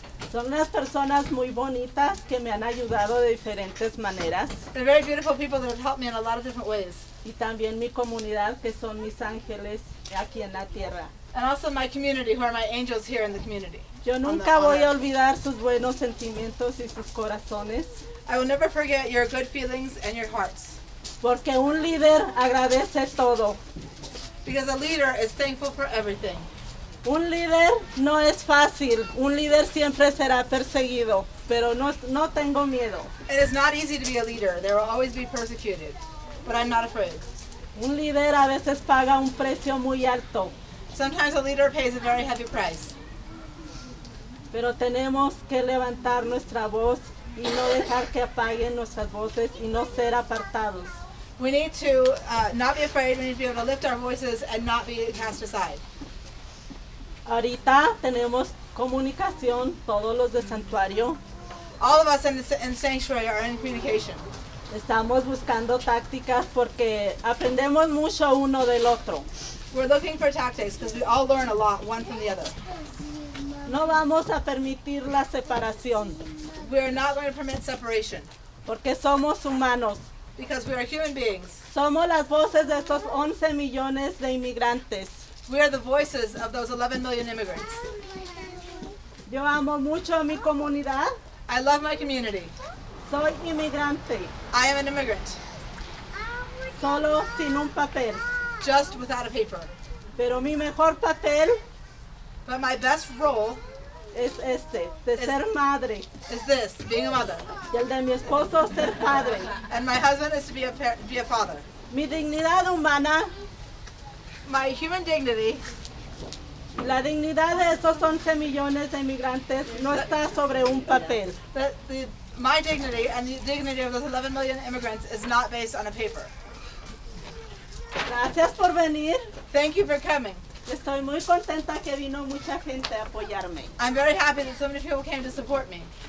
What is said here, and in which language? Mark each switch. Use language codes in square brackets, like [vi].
[es] Son unas personas muy bonitas que me han ayudado de diferentes maneras. [en] They're very beautiful people that have helped me in a lot of different ways. [es] Y también mi comunidad, que son mis ángeles aquí en la tierra. [en] And also my community, who are my angels here in the community. [es] Yo nunca voy a olvidar sus buenos sentimientos y sus corazones. [en] I will never forget your good feelings and your hearts. [es] Porque un líder agradece todo. [en] Because a leader is thankful for everything. [es] Un líder no es fácil. Un líder siempre será perseguido, pero no tengo miedo. [en] It is not easy to be a leader. There will always be persecuted, but I'm not afraid. [es] Un líder a veces paga un precio muy alto. [en] Sometimes a leader pays a very heavy price. [es] Pero tenemos que levantar nuestra voz y no dejar que apaguen nuestras voces y no ser apartados. [en] We need to not be afraid. We need to be able to lift our voices and not be cast aside. [es] Ahorita tenemos comunicación, todos los de santuario. [en] All of us in sanctuary are in communication. [es] Estamos buscando tácticas porque aprendemos mucho uno del otro. [en] We're looking for tactics because we all learn a lot one from the other. [es] No vamos a permitir la separación. [en] We are not going to permit separation. [es] Porque somos humanos. [en] Because we are human beings. [es] Somos las voces de estos 11 millones de inmigrantes. [en] We are the voices of those 11 million immigrants. [es] Yo amo mucho mi comunidad. [en] I love my community. [es] Soy inmigrante. [en] I am an immigrant. [es] Solo sin un papel. [en] Just without a paper. [es] Pero mi mejor papel. [en] But my best role. [es] Es este, de ser madre. [en] Is this, being a mother. [es] Y el de mi esposo ser padre. [en] And my husband is to be a father. [es] Mi dignidad humana. [en] My human dignity. [es] La dignidad de esos 11 millones de inmigrantes no está sobre un papel. [en] My dignity and the dignity of those 11 million immigrants is not based on a paper. [es] Gracias por venir. [en] Thank you for coming. [es] Estoy muy contenta que vino mucha gente a apoyarme. [en] I'm very happy that so many people came to support me.